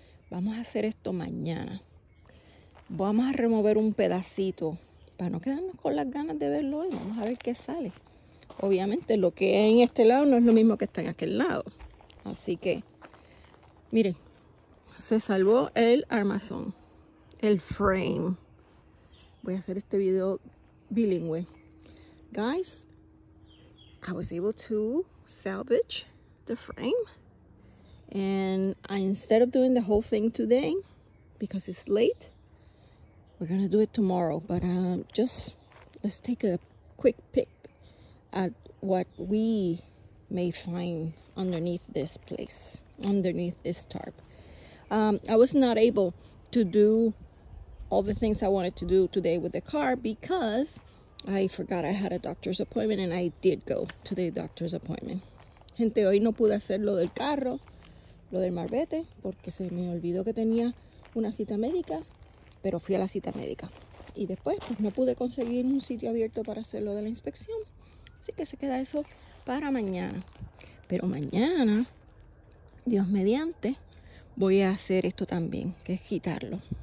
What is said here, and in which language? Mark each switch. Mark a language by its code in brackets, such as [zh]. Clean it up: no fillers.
[es] Vamos a hacer esto mañana. Vamos a remover un pedacito para no quedarnos con las ganas de verlo hoy. Vamos a ver qué sale. Obviamente lo que hay en este lado no es lo mismo que está en aquel lado. Así que, miren, se salvó el armazón, el frame. Voy a hacer este video bilingüe. [en] Guys, I was able to salvage the frame, and instead of doing the whole thing today, because it's late, we're gonna do it tomorrow. But just let's take a quick peek at what we may find underneath this place, underneath this tarp. I was not able to do all the things I wanted to do today with the car because I forgot I had a doctor's appointment, and I did go to the doctor's appointment. [es] Gente, hoy no pude hacer lo del carro, lo del marbete, porque se me olvidó que tenía una cita médica, pero fui a la cita médica. Y después, pues no pude conseguir un sitio abierto para hacer lo de la inspección. Así que se queda eso para mañana. Pero mañana, Dios mediante, voy a hacer esto también, que es quitarlo.